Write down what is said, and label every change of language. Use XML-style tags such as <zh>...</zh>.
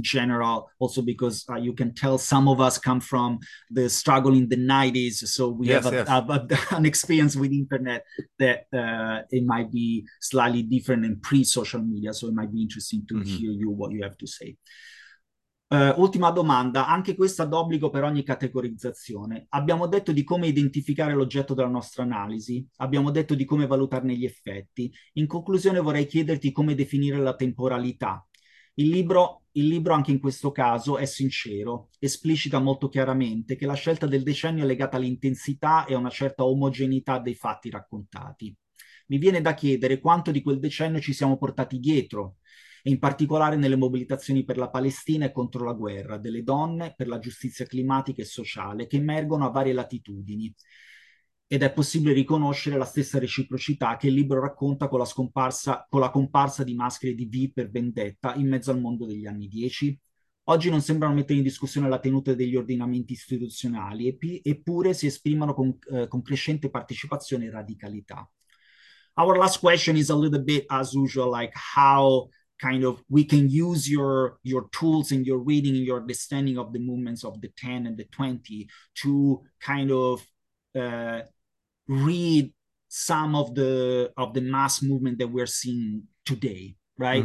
<en>general, also because you can tell some of us come from the struggle in the 90s, so we have Yes. an experience with internet that it might be slightly different than pre-social media, so it might be interesting to hear you what you have to say.</en> <it>Ultima domanda, anche questa d'obbligo per ogni categorizzazione. Abbiamo detto di come identificare l'oggetto della nostra analisi, abbiamo detto di come valutarne gli effetti. In conclusione vorrei chiederti come definire la temporalità. Il libro anche in questo caso è sincero, esplicita molto chiaramente che la scelta del decennio è legata all'intensità e a una certa omogeneità dei fatti raccontati. Mi viene da chiedere quanto di quel decennio ci siamo portati dietro. E in particolare nelle mobilitazioni per la Palestina e contro la guerra, delle donne, per la giustizia climatica e sociale, che emergono a varie latitudini. Ed è possibile riconoscere la stessa reciprocità che il libro racconta con la comparsa di maschere di V per vendetta in mezzo al mondo degli anni 10. Oggi non sembrano mettere in discussione la tenuta degli ordinamenti istituzionali, eppure si esprimono con crescente partecipazione e radicalità.</it> <en>Our last question is a little bit as usual, like how. Kind of, we can use your tools and your reading and your understanding of the movements of the 10 and the 20 to kind of read some of the mass movement that we're seeing today, right?</en>